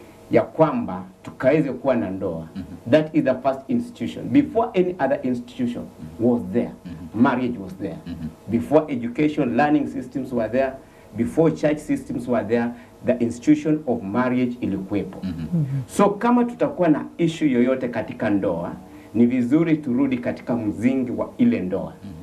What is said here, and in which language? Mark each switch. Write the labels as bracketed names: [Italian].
[Swahili] ya kwamba tukaweze kuwa na ndoa. [English] That is the first institution. Before any other institution was there, marriage was there. Before education, learning systems were there. Before church systems were there, the institution of marriage ilikuwepo. [Swahili] So kama tutakuwa na issue yoyote katika ndoa, ni vizuri turudi katika mzingi wa ile ndoa.